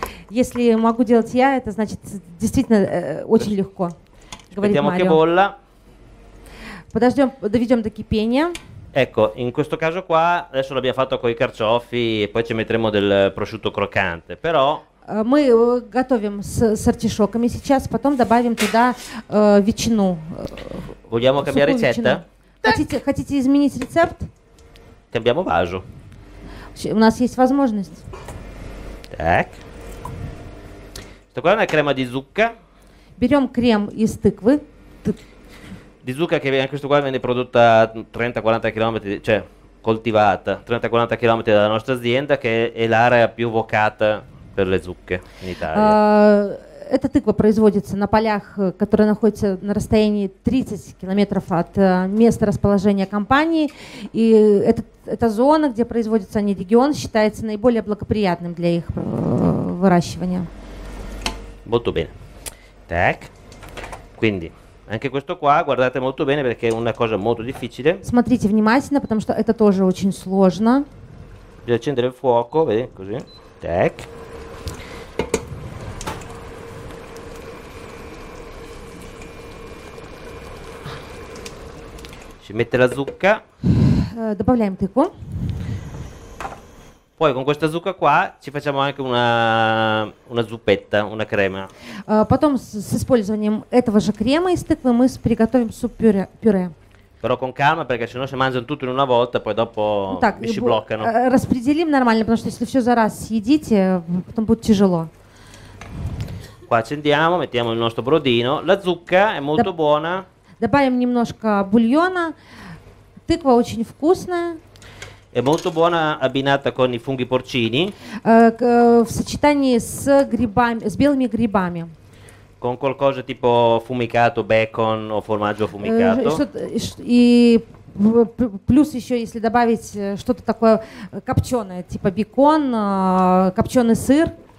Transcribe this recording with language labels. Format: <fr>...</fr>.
<ru>Если могу делать я, это значит действительно очень легко, говорит Марио.</ru> <it>Che bolla.</it> <ru>Подождем, доведем до кипения.</ru> <it>Ecco, in questo caso qua, adesso l'abbiamo fatto con i carciofi e poi ci metteremo del prosciutto croccante, però...</it> <ru>Мы готовим с артишоками сейчас, потом добавим туда ветчину.</ru> <it>Vogliamo cambiare ricetta?</it> <ru>Хотите изменить рецепт?</ru> <it>Cambiamo vaso.</it> <ru>У нас есть возможность. Так.</ru> <it>Questa qua è una crema di zucca.</it> <ru>Берем крем из тыквы.</ru> <it>Di zucca che viene, questo qua viene prodotta 30-40 km, cioè coltivata 30-40 km dalla nostra azienda, che è l'area più vocata per le zucche in Italia.</it> <ru>Эта тыква производится на полях, которые находятся на расстоянии 30 километров от места расположения компании. И эта зона, где производится они, регион, считается наиболее благоприятным для их выращивания.</ru> <it>Molto bene.</it> <ru>Так.</ru> <it>Quindi, anche questo qua, guardate molto bene, perché è una cosa molto difficile. Смотрите внимательно, потому что это тоже очень сложно. Bisogna accendere il fuoco, vedi, così.</it> <ru>Так.</ru> <it>Ci mette la zucca.</it> <ru>Добавляем тыкву.</ru> <it>Poi con questa zucca qua ci facciamo anche una zuppetta, una crema.</it> <ru>Потом с использованием этого же крема из тыквы мы приготовим суп-пюре.</ru> <it>Però con calma, perché sennò se mangiano tutto in una volta, poi dopo ci bloccano.</it> <ru>Распределим нормально, потому что если все за раз съедите, потом будет тяжело.</ru> <it>Qua accendiamo, mettiamo il nostro brodino. La zucca è molto buona.</it> <ru>Добавим немножко бульона. Тыква очень вкусная.</ru> <it>È molto buona abbinata con i funghi porcini.</it> <ru>В сочетании с грибами, с белыми грибами.</ru> <it>Con qualcosa tipo fumicato, bacon o formaggio fumicato.</it> <ru>И плюс еще, если добавить что-то такое копченое, типа бекон, копченый сыр.</ru>